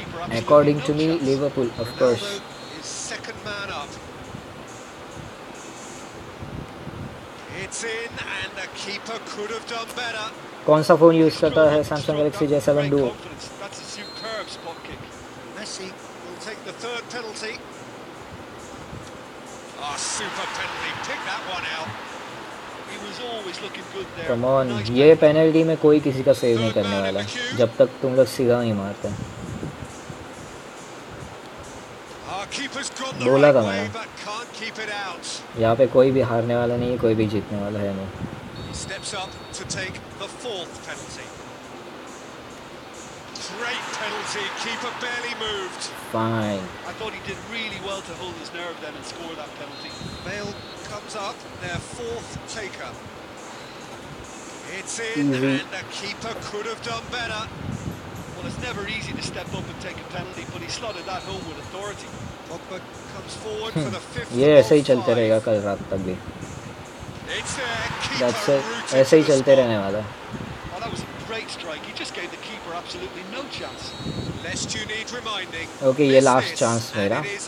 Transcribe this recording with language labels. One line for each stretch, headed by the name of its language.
English: According to me, Liverpool, of course. His second man up. It's in and the keeper could have done better.
Hindi: कौन सा phone use करता है Samsung Galaxy J7 Duo?
English: That's a superb spot kick. Messi will take the third penalty. Ah, super penalty. Pick that one out. He was always looking good there. Come on,
Hindi: ये penalty में कोई किसी का save नहीं करने वाला जब तक तुम लोग सीधा नहीं मारते. बोला था मैं यहाँ पे कोई भी हारने वाला नहीं है, कोई भी जीतने वाला है नहीं.
English: Steps up to take the fourth penalty. Great penalty. Keeper barely moved. Fine. I thought he did really well to hold his nerve then and score that penalty. Bale comes up, their fourth taker. It's in, mm-hmm. And the keeper could have done better. Well, it's never easy to step up and take a penalty, but he slotted that home with authority. Pogba comes forward for the fifth.
Hindi: Yeah, ऐसे ही चलते रहेगा कल रात तक भी.
English: That's it.
Hindi: ऐसे ही चलते रहने वाला.
English: Oh, that was a great strike. He just gave the keeper absolutely no chance. Lest you need reminding.
Hindi: Okay, ये
English: last chance
Hindi: मेरा.